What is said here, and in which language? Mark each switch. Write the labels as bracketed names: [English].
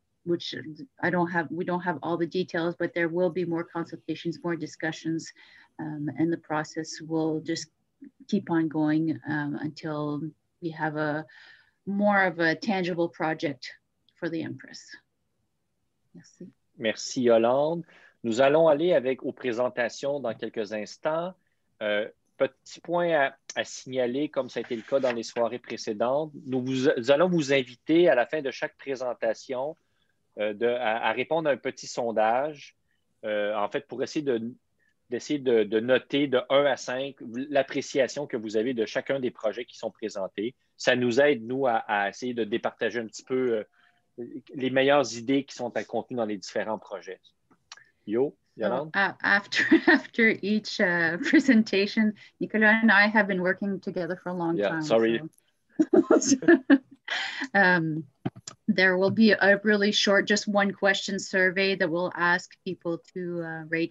[English] which I don't have, we don't have all the details, but there will be more consultations, more discussions, and the process will just keep on going until we have a more of a tangible project for the Empress. [French] Merci. Merci, Yolande. Nous allons aller avec aux présentations dans quelques instants. Petit point à signaler, comme ça a été le cas dans les soirées précédentes, nous allons vous inviter à la fin de chaque présentation à répondre à un petit sondage, en fait, pour essayer de noter de 1 à 5 l'appréciation que vous avez de chacun des projets qui sont présentés. Ça nous aide, nous, à essayer de départager un petit peu les meilleures idées qui sont contenues dans les différents projets. Yo, Yolande? [English] After each presentation, Nicolas and I have been working together for a long time. Yeah, sorry. So. There will be a really short, just one question survey that we'll ask people to rate.